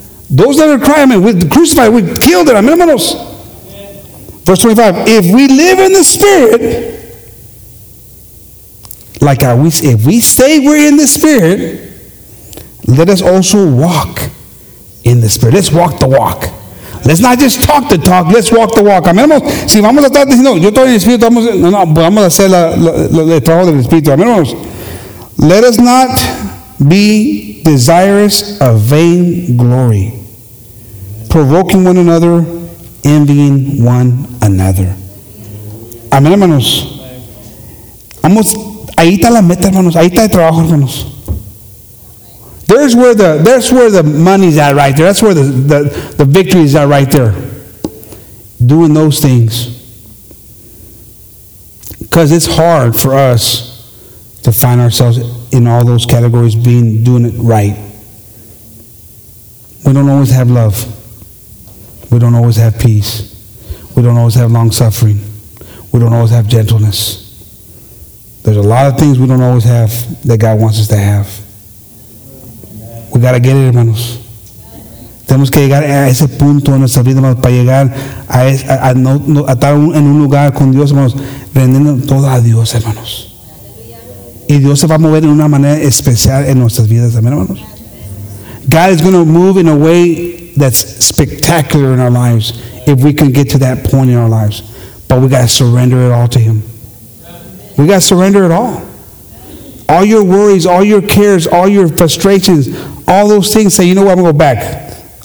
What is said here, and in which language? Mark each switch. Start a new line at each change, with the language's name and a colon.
English: Those that are crying, amen, we've crucified, we've killed it. Amen, hermanos. Verse 25. If we live in the Spirit, like if we say we're in the Spirit, let us also walk in the Spirit. Let's walk the walk. Let's not just talk the talk. Let's walk the walk. Amén, hermanos.
Spanish: Si vamos a estar diciendo, yo estoy en el Espíritu, vamos a hacer el trabajo del Espíritu.
English: Amén, hermanos. Let us not be desirous of vain glory, provoking one another, envying one another. Amén, hermanos.
Spanish: Vamos, ahí está la meta, hermanos. Ahí está el trabajo, hermanos.
English: There's where the money's at right there. That's where the victory is at right there. Doing those things. Because it's hard for us to find ourselves in all those categories being doing it right. We don't always have love. We don't always have peace. We don't always have long suffering. We don't always have gentleness. There's a lot of things we don't always have that God wants us to have. We gotta get it, hermanos.
Spanish: Tenemos que llegar a ese punto en nuestra vida, hermanos, para llegar a estar en un lugar con Dios, hermanos, rendiendo todo a Dios, hermanos. Y Dios se va a mover en una manera especial en nuestras vidas, amén, hermanos.
English: God is going to move in a way that's spectacular in our lives if we can get to that point in our lives. But we gotta surrender it all to Him. We gotta surrender it all. All your worries, all your cares, all your frustrations, all those things, say, you know what, I'm going to go back.